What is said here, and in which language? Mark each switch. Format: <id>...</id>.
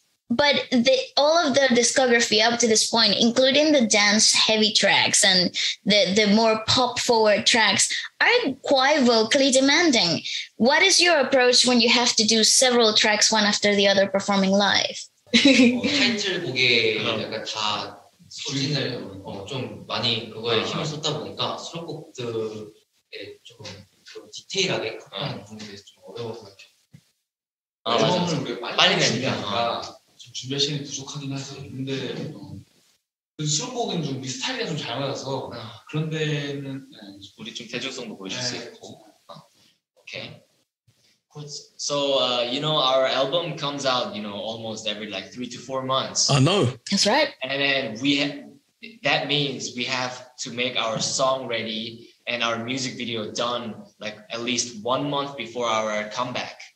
<en>But all of the discography up to this point, including the dance heavy tracks and the more pop forward tracks, are quite vocally demanding. What is your approach when you have to do several tracks one after the other performing live?</en> <ko>타이틀 곡에 약간 다 소진을 좀 많이 그거에 힘을 썼다 보니까 수록곡들에 조금 디테일하게 각본을 보는 게 좀 어려운 것 같아요. 앨범을 빨리 내니까 좀 준비할 시간이 부족하긴 해서 근데 수록곡은 좀 우리 스타일이 좀 잘 맞아서 그런 데는 우리 좀 대중성도 보여줄 수 있고 오케이.</ko> <en>So, you know, our album comes out, you know, almost every like 3 to 4 months. I know. That's right. And then that means we have to make our song ready and our music video done like at least 1 month before our comeback.</en>